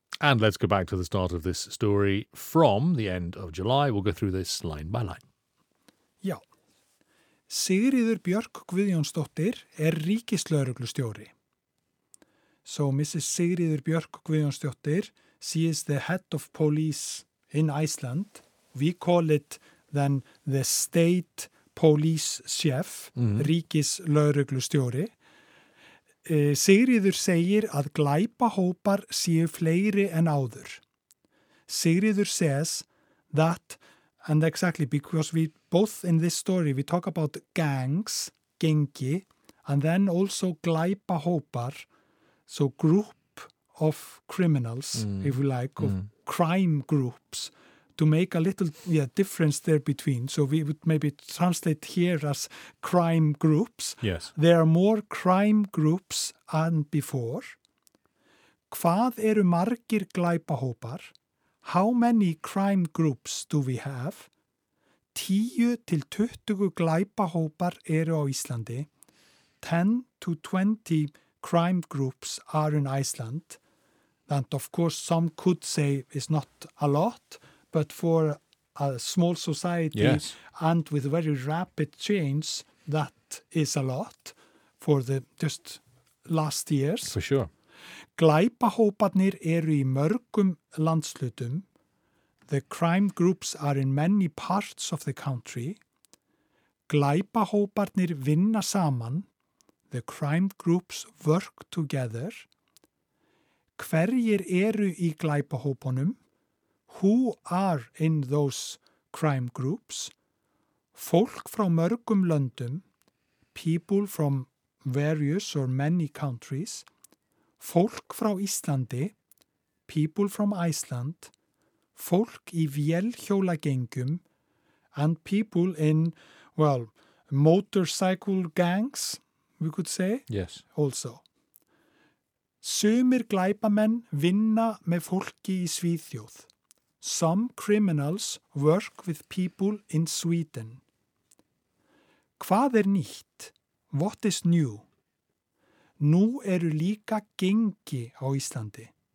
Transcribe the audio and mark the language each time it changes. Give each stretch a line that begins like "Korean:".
English: And let's go back to the start of this story from the end of July. We'll go through this line by line.
Icelandic: Já. Sigríður Björk Guðjónsdóttir ríkislögreglustjóri.
English: So Mrs. Sigríður Björk Guðjónsdóttir, she is the head of police in Iceland. We call it then the state police chef, ríkislögreglustjóri.
Icelandic: Sigríður segir að glæpahópar séu fleiri en áður.
English: Sigríður says that, and exactly because we both in this story, we talk about gangs, gengi, and then also glæpahópar, so group of criminals, if you like, of crime groups, to make a little difference there between. So we would maybe translate here as crime groups. Yes. There are more crime groups than before.
Icelandic: Hvað margir glæpahópar?
English: How many crime groups do we have?
Icelandic: 10 til 20 glæpahópar á Íslandi.
English: 10 to 20 crime groups are in Iceland, and of course some could say it's not a lot, but for a small society and with very rapid change, that is a lot for the just last years. For sure.
Icelandic: Glæpahóparnir í mörgum landshlutum.
English: The crime groups are in many parts of the country.
Icelandic: Glæpahóparnir vinna saman.
English: The crime groups work together.
Icelandic: Hverjir í glæpahópunum?
English: Who are in those crime groups?
Icelandic: Fólk frá mörgum löndum.
English: People from various or many countries.
Icelandic: Fólk frá Íslandi.
English: People from Iceland.
Icelandic: Fólk í vélhjólagengjum.
English: And people in, well, motorcycle gangs, we could say. Yes. Also.
Icelandic: Sumir glæpamenn vinna með fólki í Svíþjóð.
English: Some criminals work with people in Sweden.
Icelandic: Hvað nýtt?
English: What is new?
Icelandic: Nú eru líka gengi á Íslandi.